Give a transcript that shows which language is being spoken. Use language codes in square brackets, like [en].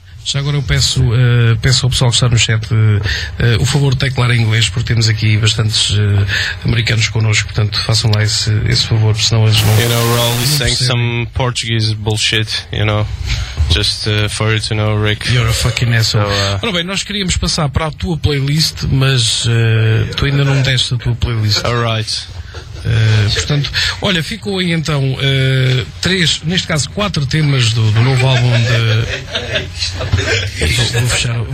[pt] Já agora eu peço, peço ao pessoal que está no chat o favor de teclar em inglês, porque temos aqui bastantes americanos connosco, portanto façam lá esse favor, senão eles não. [en] You know, we're always saying some Portuguese bullshit, you know. Just for you to know, Rick. You're a fucking asshole. [pt] So, ora bem, nós queríamos passar para a tua playlist, mas tu ainda não deste a tua playlist. [en] Alright. [pt] Portanto, olha, ficou aí então três, neste caso quatro temas do novo álbum de...